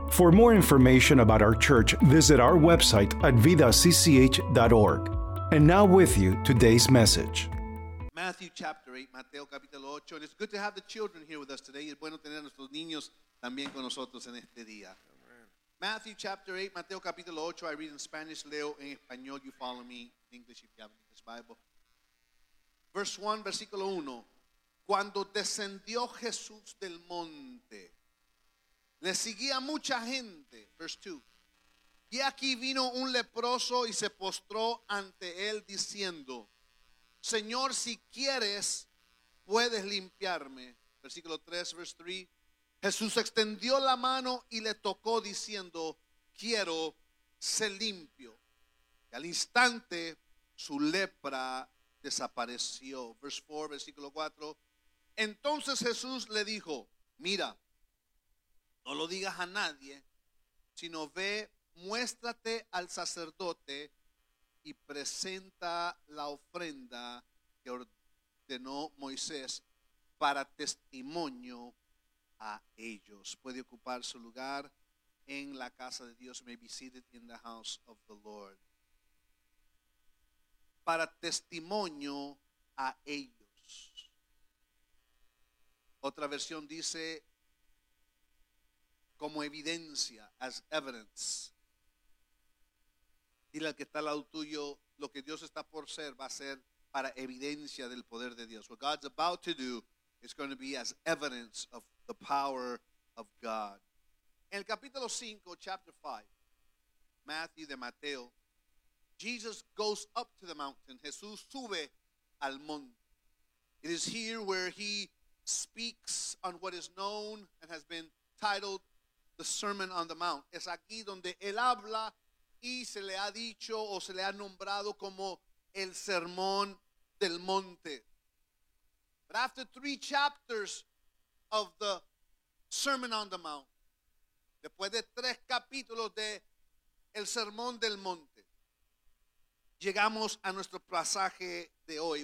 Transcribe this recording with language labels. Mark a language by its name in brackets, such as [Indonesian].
[English] For more information about our church, visit our website at vidacch.org. And now with you, today's message. Matthew chapter 8, [Spanish] Mateo capítulo 8. [English] And it's good to have the children here with us today. [Spanish] Es bueno tener a nuestros niños también con nosotros en este día. [English] Matthew chapter 8, Mateo capítulo 8. I read in Spanish, [Spanish] leo en español. [English] You follow me in English if you have an English Bible. Verse 1, [Spanish] versículo 1. Cuando descendió Jesús del monte, le seguía mucha gente. [English] Verse 2. [Spanish] Y aquí vino un leproso y se postró ante él diciendo, Señor, si quieres, puedes limpiarme. Versículo 3, [English] verse 3. [Spanish] Jesús extendió la mano y le tocó diciendo, quiero ser limpio. Y al instante su lepra desapareció. [English] Verse 4, [Spanish] versículo 4. Entonces Jesús le dijo, mira, no lo digas a nadie, sino ve, muéstrate al sacerdote y presenta la ofrenda que ordenó Moisés para testimonio a ellos. Puede ocupar su lugar en la casa de Dios. [English] May be seated in the house of the Lord. [Spanish] Para testimonio a ellos. Otra versión dice, como evidencia, [English] as evidence. [Spanish] Dile al que está al lado tuyo, lo que Dios está por ser va a ser para evidencia del poder de Dios. [English] What God's about to do is going to be as evidence of the power of God. [Spanish] En el capítulo 5, [English] chapter 5, Matthew de Mateo, Jesus goes up to the mountain. [Spanish] Jesús sube al monte. [English] It is here where he speaks on what is known and has been titled the Sermon on the Mount. [Spanish] Es aquí donde él habla y se le ha dicho o se le ha nombrado como el Sermón del Monte. [English] But after 3 chapters of the Sermon on the Mount, [Spanish] después de 3 capítulos de el Sermón del Monte, llegamos a nuestro pasaje de hoy.